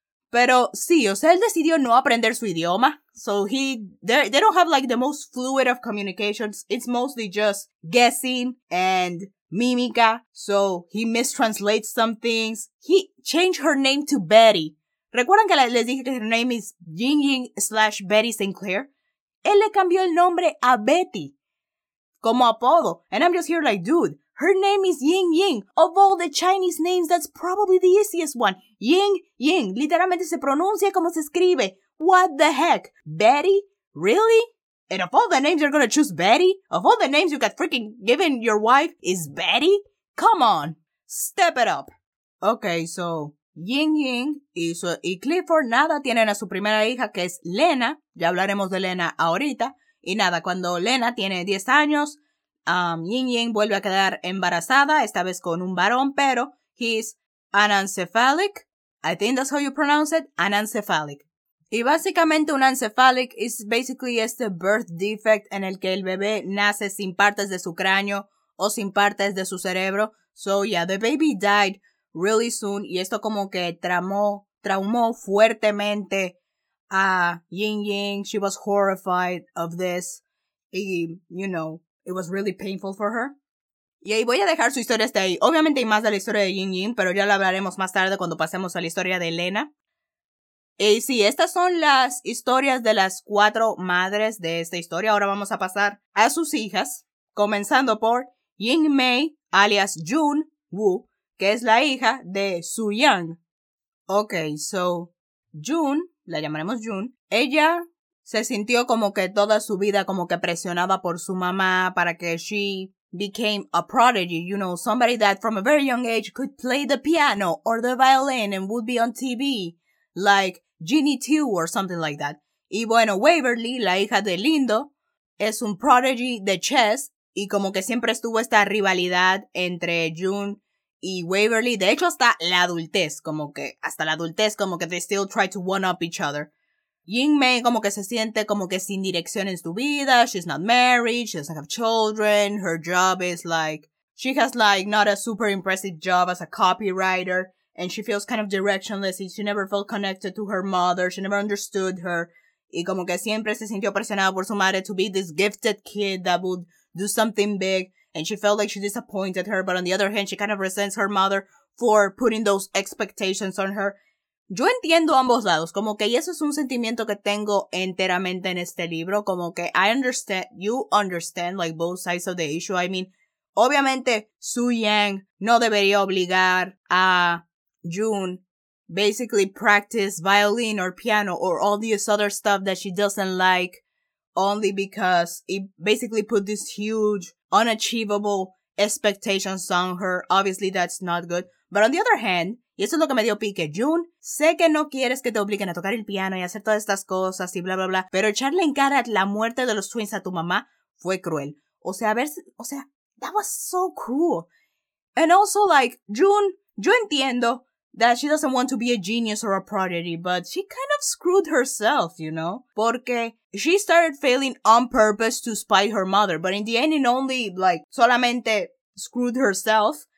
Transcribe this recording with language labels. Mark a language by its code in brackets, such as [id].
[es] pero sí, o sea, él decidió no aprender su idioma, [en] so they don't have like the most fluid of communications, it's mostly just guessing and mímica, so he mistranslates some things, he changed her name to Betty. [es] ¿Recuerdan que les dije que [en] her name is Ying Ying / Betty Sinclair? [es] Él le cambió el nombre a Betty como apodo. [en] And I'm just here like, dude, her name is Ying Ying. Of all the Chinese names, that's probably the easiest one. [es] Ying Ying. Literalmente se pronuncia como se escribe. [en] What the heck? Betty? Really? And of all the names you're gonna choose Betty? Of all the names you got freaking given your wife is Betty? Come on. Step it up. [es] Okay, so Ying Ying y Clifford nada tienen a su primera hija que es Lena, ya hablaremos de Lena ahorita, y nada, cuando Lena tiene 10 años, Ying Ying vuelve a quedar embarazada, esta vez con un varón, pero [en] he's anencephalic, I think that's how you pronounce it, anencephalic. [es] Y básicamente un anencephalic [en] is basically [es] este [en] birth defect [es] en el que el bebé nace sin partes de su cráneo o sin partes de su cerebro, [en] so yeah, the baby died really soon. [es] Y esto como que traumó fuertemente a Ying Ying. [en] She was horrified of this. Y, you know, it was really painful for her. [es] Y ahí voy a dejar su historia hasta ahí. Obviamente hay más de la historia de Ying Ying, pero ya la hablaremos más tarde cuando pasemos a la historia de Elena. Y sí, estas son las historias de las cuatro madres de esta historia. Ahora vamos a pasar a sus hijas, comenzando por Ying Mei, alias Jun Woo, que es la hija de Su Yang. [en] Ok, so Jun, [es] la llamaremos Jun, ella se sintió como que toda su vida como que presionada por su mamá para que [en] she became a prodigy, you know, somebody that from a very young age could play the piano or the violin and would be on TV, like Ginny Tu or something like that. [es] Y bueno, Waverly, la hija de Lindo, es un prodigy de chess y como que siempre estuvo esta rivalidad entre Jun y Waverly. De hecho, hasta la adultez, como que [en] they still try to one-up each other. [es] Ying Mei como que se siente como que sin dirección en su vida. [en] She's not married, she doesn't have children, her job is like, she has like not a super impressive job as a copywriter, and she feels kind of directionless. She never felt connected to her mother, she never understood her. [es] Y como que siempre se sintió presionada por su madre [en] to be this gifted kid that would do something big, and she felt like she disappointed her, but on the other hand, she kind of resents her mother for putting those expectations on her. [es] Yo entiendo ambos lados, como que, y eso es un sentimiento que tengo enteramente en este libro, como que [en] I understand, you understand, like, both sides of the issue. I mean, obviamente, Su Yang no debería obligar a Jun basically practice violin or piano or all this other stuff that she doesn't like only because it basically put this huge, unachievable expectations on her. Obviously, that's not good. But on the other hand, [es] y eso es lo que me dio pique, Jun, sé que no quieres que te obliguen a tocar el piano y hacer todas estas cosas y bla, bla, bla, pero echarle en cara la muerte de los twins a tu mamá fue cruel. O sea, [en] that was so cruel. And also, like, Jun, [es] yo entiendo [en] that she doesn't want to be a genius or a prodigy, but she kind of screwed herself, you know? Porque she started failing on purpose to spite her mother, but in the end, it only, like, solamente screwed herself.